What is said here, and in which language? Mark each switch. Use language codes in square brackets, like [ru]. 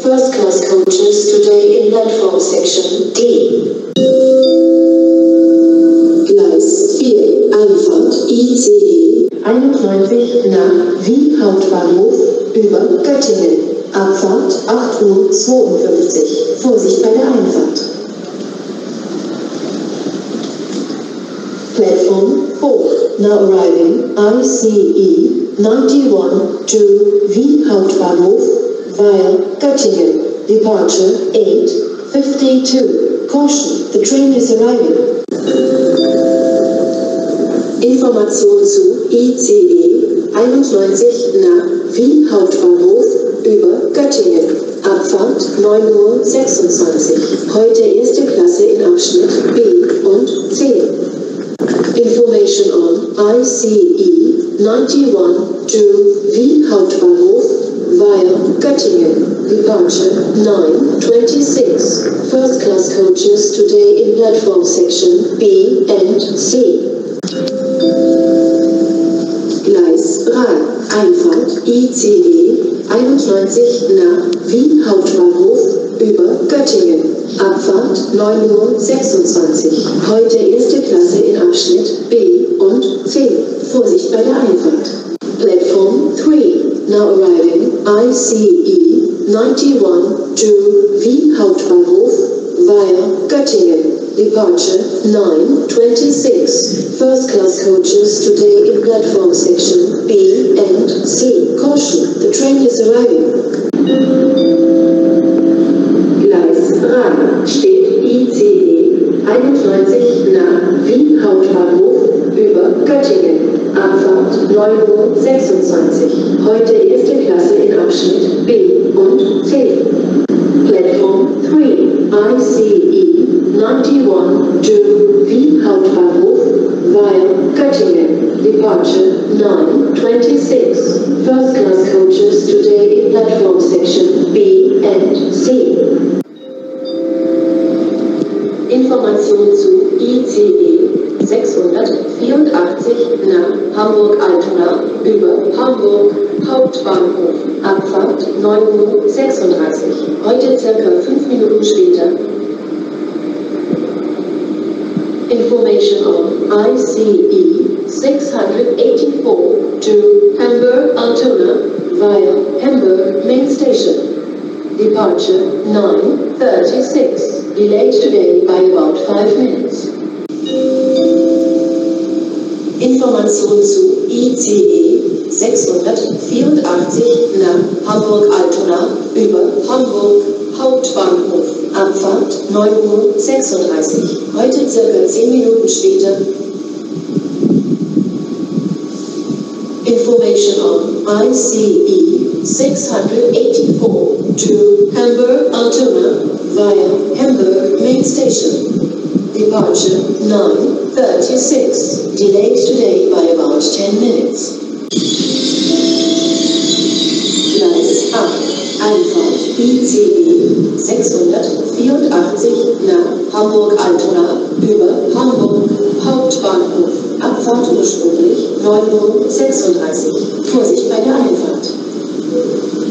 [en] First class coaches today in platform section D. [de] Gleis 4. Abfahrt ICE 91 nach Wien Hauptbahnhof über Göttingen. Abfahrt 8:52. Vorsicht bei der Einfahrt. [en] Platform 4. Now arriving ICE 91 to Wien Hauptbahnhof via Göttingen. Departure 8:52. Caution, the train is arriving. [de] Information zu ICE 91 nach Wien Hauptbahnhof über Göttingen. Abfahrt 9:26 Uhr. Heute erste Klasse in Abschnitt B und C. [en] Information on ICE 91 to Wien Hauptbahnhof via Göttingen. Departure 9:26. First class coaches today in platform section B and C. [de] Gleis 3. Einfahrt ICE 91 nach Wien Hauptbahnhof über Göttingen. Abfahrt 9:26 Uhr. Heute erste Klasse in Abschnitt B und C. Vorsicht bei der Einfahrt. [en] Platform 3. Now arriving ICE 91 to Wien Hauptbahnhof via Göttingen. Departure 9:26. First class coaches today in platform section B and C. Caution, the train is arriving. [de] Gleis 3 steht ICE 91 nach Wien Hauptbahnhof über Göttingen. Abfahrt 9:26 Uhr. Heute erste Klasse in Abschnitt B und C. [en] Platform 3. ICE 91 to Wien Hauptbahnhof via Göttingen. Departure 9:26 Uhr. First class coaches today in platform section B and C. [de] Information zu ICE 684 nach Hamburg-Altona über Hamburg Hauptbahnhof. Abfahrt 9:36 Uhr. Heute circa 5 Minuten später. [en] Information on ICE 684 to Hamburg-Altona via Hamburg Main Station. Departure 9:36. Delayed today by about 5 minutes. [de] Information zu ICE 684 nach Hamburg-Altona über Hamburg Hauptbahnhof. Abfahrt 9:36 Uhr. Heute circa 10 Minuten später. [en] Information on ICE 684 to Hamburg-Altona via Hamburg Main Station. Departure 9:36. Delayed today by about 10 minutes. [de] Gleis 8. Einfahrt ICE 684 nach Hamburg-Altona über Hamburg Hauptbahnhof. Abfahrt ursprünglich 9:36 Uhr. Vorsicht bei der Einfahrt.